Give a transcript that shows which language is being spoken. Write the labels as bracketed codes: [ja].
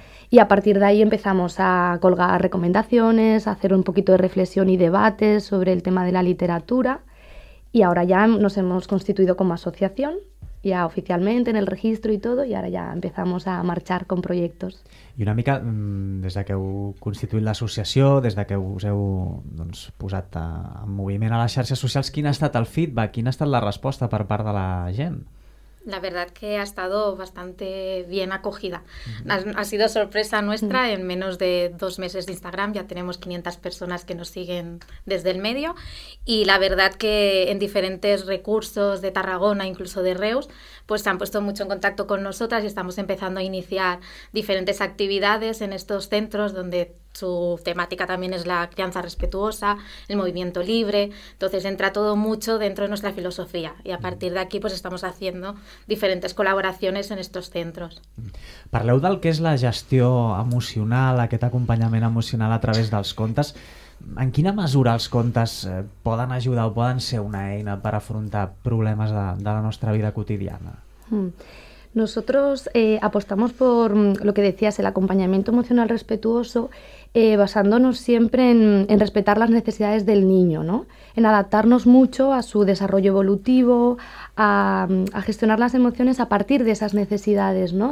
[es] Y a partir de ahí empezamos a colgar recomendaciones, a hacer un poquito de reflexión y debates sobre el tema de la literatura. Y ahora ya nos hemos constituido como asociación, ya oficialmente en el registro y todo, y ahora ya empezamos a marchar con proyectos. [ca] I una mica, des de que heu constituït l'associació, des de que us heu doncs, posat en moviment a les xarxes socials, quin ha estat el feedback, quina ha estat la resposta per part de la gent? [es] La verdad que ha estado bastante bien acogida. Ha sido sorpresa nuestra. En menos de 2 meses de Instagram ya tenemos 500 personas que nos siguen desde el medio, y la verdad que en diferentes recursos de Tarragona, incluso de Reus, pues se han puesto mucho en contacto con nosotras y estamos empezando a iniciar diferentes actividades en estos centros donde su temática también es la crianza respetuosa, el movimiento libre. Entonces entra todo mucho dentro de nuestra filosofía, y a partir de aquí pues estamos haciendo diferentes colaboraciones en estos centros. [ca] Parleu del que és la gestió emocional, aquest acompanyament emocional a través dels contes. En quina mesura els contes poden ajudar o poden ser una eina per afrontar problemes de la nostra vida quotidiana? [es] Nosotros apostamos por lo que decías, el acompañamiento emocional respetuoso, basándonos siempre en respetar las necesidades del niño, ¿no? En adaptarnos mucho a su desarrollo evolutivo, a gestionar las emociones a partir de esas necesidades, ¿no?